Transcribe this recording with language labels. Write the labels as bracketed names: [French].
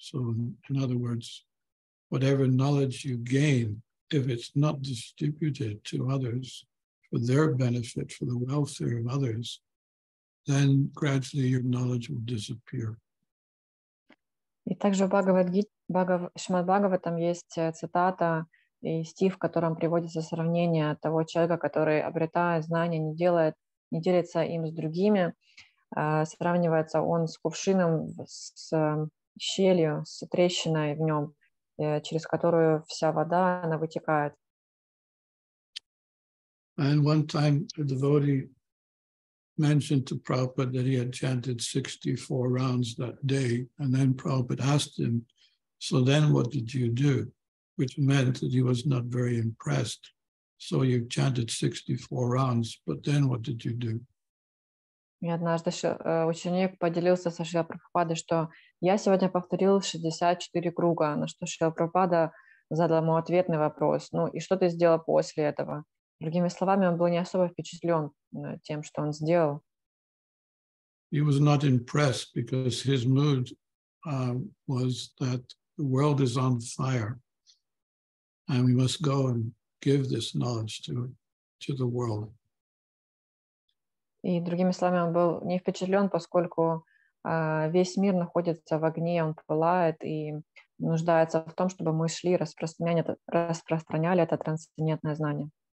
[English] So in other words, whatever knowledge you gain, if it's not distributed to others for their benefit, for the welfare of others, then gradually your knowledge will disappear. [Russian] И также в Шримад-Бхагаватам есть цитата и стих, в котором приводится сравнение того человека, который, обретая знания, не делится им с другими, сравнивается он с кувшином, с щелью, с трещиной в нем, через которую вся вода, она вытекает. [English] And one time a devotee mentioned to Prabhupada that he had chanted 64 rounds that day, and then Prabhupada asked him, so then what did you do? Which meant that he was not very impressed. So you chanted 64 rounds, but then what did you do? [Russian] И однажды ученик поделился со Шрила Прабхупадой, что я сегодня повторил 64 круга, на что Шрила Прабхупада задал ему ответный вопрос. Ну и что ты сделал после этого? Другими словами, он был не особо впечатлен тем, что он сделал. [English] He was not impressed because his mood was that the world is on fire and we must go and give this knowledge to the world. [Russian] И другими словами, он был не впечатлен, поскольку весь мир находится в огне, он пылает и нуждается в том, чтобы мы шли, распространяли это трансцендентное знание.